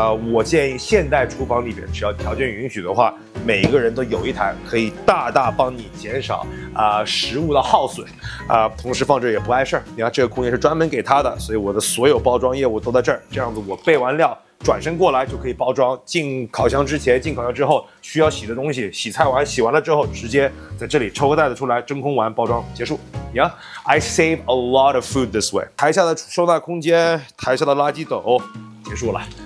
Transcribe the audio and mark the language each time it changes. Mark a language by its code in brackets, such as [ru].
[zh] 我建议现代厨房里边，只要条件允许的话，每一个人都有一台，可以大大帮你减少食物的耗损，同时放这也不碍事儿。你看这个空间是专门给他的，所以我的所有包装业务都在这儿。这样子我备完料，转身过来就可以包装，进烤箱之前、进烤箱之后需要洗的东西，洗菜完、洗完了之后，直接在这里抽个袋子出来，真空完包装结束。 [en] Yeah, I save a lot of food this way. [zh] 台下的收纳空间、台下的垃圾斗，结束了。